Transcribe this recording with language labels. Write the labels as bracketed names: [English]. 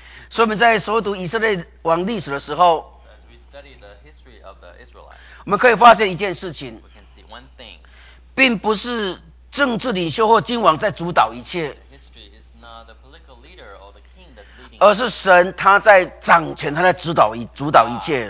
[Chinese] 所以我们在熟读以色列王历史的时候， [English] As we study the history of the Israelites, [Chinese] 我们可以发现一件事情， [English] we can see one thing, [Chinese] 并不是政治领袖或君王在主导一切， [English] the history is not the political leader or the king that's leading, [Chinese] 而是神他在掌权，他在主导一切。